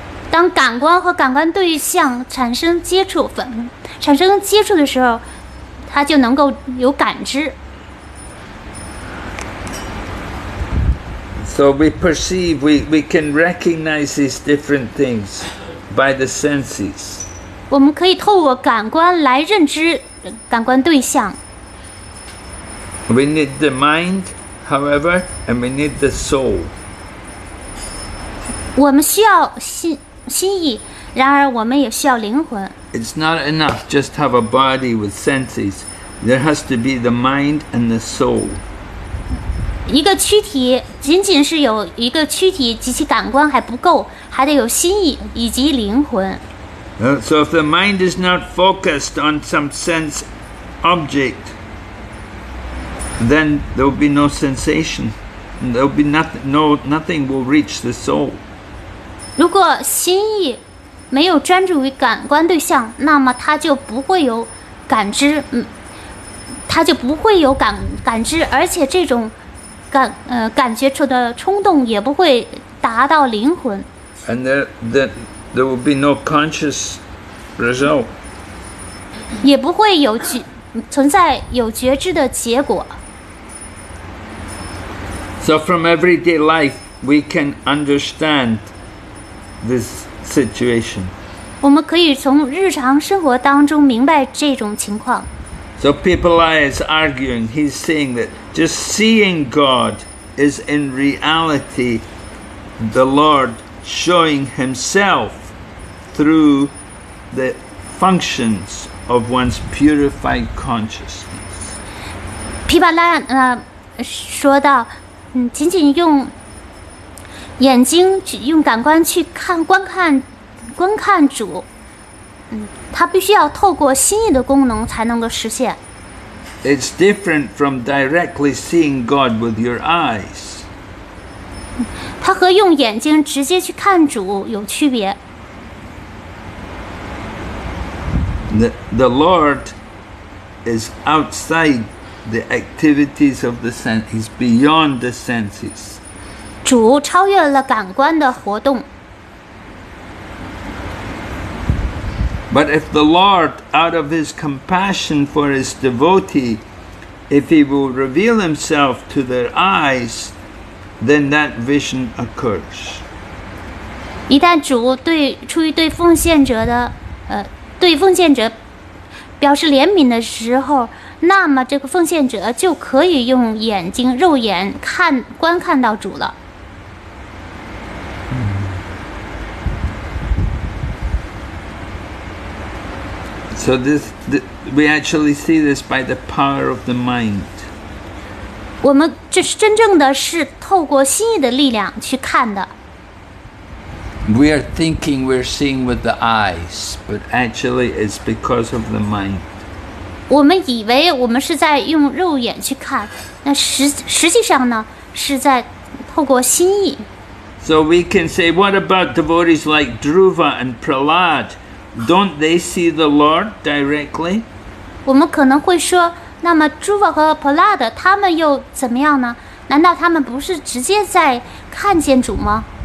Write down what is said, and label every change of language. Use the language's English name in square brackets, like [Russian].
[Chinese] 当感官和感官对象产生接触粉，产生接触的时候，它就能够有感知。 [English] So we perceive, we can recognize these different things by the senses. [Chinese] 我们可以透过感官来认知感官对象。 [English] We need the mind, however, and we need the soul. [Chinese] 我们需要心意，然而我们也需要灵魂。 [English] It's not enough just to have a body with senses. There has to be the mind and the soul. [Chinese] 一个躯体仅仅是有一个躯体及其感官还不够，还得有心意以及灵魂。 [English] So if the mind is not focused on some sense object, then there will be no sensation. There will be nothing will reach the soul. [Chinese] 如果心意没有专注于感官对象，那么它就不会有感知，它就不会有感知，而且这种感觉出的冲动也不会达到灵魂。 [English] And there will be no conscious result. [Chinese] 也不会有存在有觉知的结果。 [English] So from everyday life, we can understand this situation. [Chinese] 我们可以从日常生活当中明白这种情况。 [English] So people is arguing, he's saying that just seeing God is in reality the Lord showing himself through the functions of one's purified consciousness. [Chinese] 皮巴拉说到仅仅用眼睛用感官去看观看主。它必须要透过心意的功能才能够实现。 [English] It's different from directly seeing God with your eyes. [Chinese] 它和用眼睛直接去看主有区别。 [English] The Lord is outside the activities of the senses. He's beyond the senses. [Chinese] 主超越了感官的活动。 [English] But if the Lord, out of his compassion for his devotee, if he will reveal himself to their eyes, then that vision occurs. [Chinese] 一旦主对出于对奉献者的对奉献者表示怜悯的时候，那么这个奉献者就可以用眼睛肉眼看观看到主了。 [English] So this, we actually see this by the power of the mind. [Chinese] 我们这是真正的是透过心意的力量去看的。 [English] We are thinking we're seeing with the eyes, but actually it's because of the mind. [Chinese] 我们以为我们是在用肉眼去看，那实际上呢，是在透过心意。 [English] So we can say, what about devotees like Dhruva and Prahlad? Don't they see the Lord directly? [Chinese] 我们可能会说，那么朱瓦和普拉德他们又怎么样呢？难道他们不是直接在看见主吗？